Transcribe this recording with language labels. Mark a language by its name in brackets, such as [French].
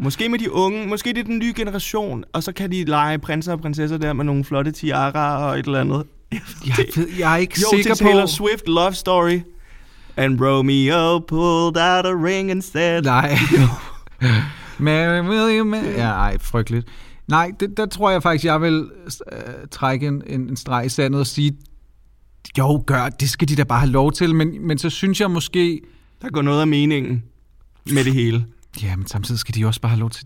[Danish] Måske med de unge, måske det er den nye generation, og så kan de lege prinser og prinsesser der med nogle flotte tiara og et eller andet. Jeg er ikke sikker på... Jo, til Taylor Swift love story. [English] And Romeo pulled out a ring and said... [Danish] Nej. [English] Mary, will you marry? [Danish] Ja, ej, frygteligt. Nej, der tror jeg faktisk, jeg vil trække en streg i sandet og sige, jo, gør, det skal de da bare have lov til, men så synes jeg måske... Der går noget af meningen med det hele. Ja, men samtidig skal de også bare have lov til.